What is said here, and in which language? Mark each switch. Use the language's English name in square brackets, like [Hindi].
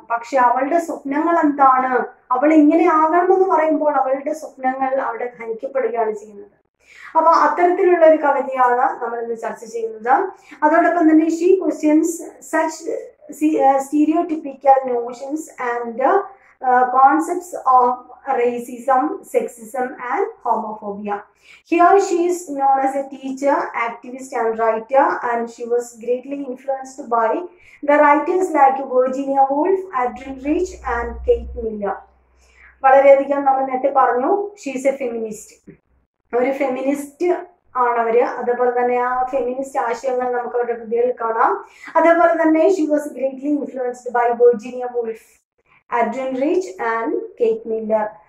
[Malayalam] പക്ഷെ അവളുടെ സ്വപ്നങ്ങൾ എന്താണ്, അവൾ ഇങ്ങനെ ആകണം എന്ന് പറയുമ്പോൾ അവളുടെ സ്വപ്നങ്ങൾ അവിടെ ഖനിക്കപ്പെടുകയാണ് ചെയ്യുന്നത്. അപ്പൊ അത്തരത്തിലുള്ള ഒരു കവിതയാണ് നമ്മൾ ഇന്ന് ചർച്ച ചെയ്യുന്നത്. അതോടൊപ്പം തന്നെ [English] She questions such stereotypical notions and concepts of racism, sexism and homophobia. Here she is known as a teacher, activist and writer, and she was greatly influenced by the writers like Virginia Woolf, Adrienne Rich and Kate Miller. [Malayalam] വളരെയധികം നമ്മൾ നേരത്തെ പറഞ്ഞു, [English] She is a feminist. [Malayalam] ഒരു feminist ആണ് അവര്. അതേപോലെ തന്നെ ആ ഫെമിനിസ്റ്റ് ആശയങ്ങൾ നമുക്ക് അവരുടെ കൃതികളിൽ കാണാം. അതേപോലെ തന്നെ [English] She was greatly influenced by Virginia Woolf, Adrienne Rich and Kate Miller.